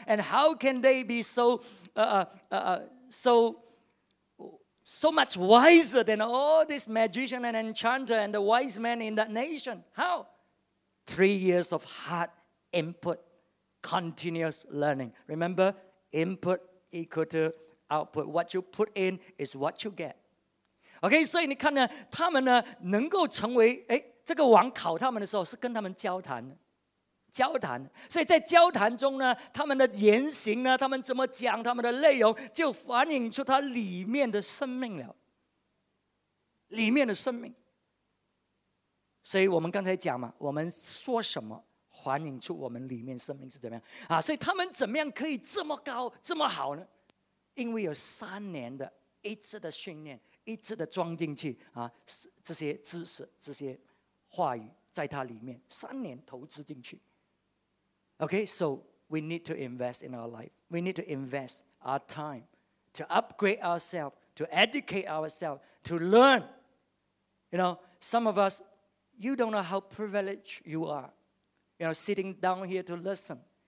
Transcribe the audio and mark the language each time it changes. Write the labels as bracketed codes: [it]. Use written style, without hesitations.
[en] And how can they be so much wiser than all this magician and enchanter and the wise men in that nation? How? 3 years of hard work. Input, continuous learning. Remember, input equal to output. What you put in is what you get. [zh] Okay, 所以你看呢，他们呢能够成为这个王考他们的时候是跟他们交谈，交谈。所以在交谈中呢，他们的言行呢，他们怎么讲，他们的内容就反映出他里面的生命了，里面的生命。所以我们刚才讲嘛，我们说什么？反映出我们里面生命是怎么样啊？所以他们怎么样可以这么高这么好呢？因为有3年的一直的训练，一直的装进去啊，这些知识这些话语在他里面3年投资进去。 [en] OK, so we need to invest in our life. We need to invest our time to upgrade ourselves to educate ourselves, to learn. You know, some of us, you don't know how privileged you are, you know, sitting down here to listen.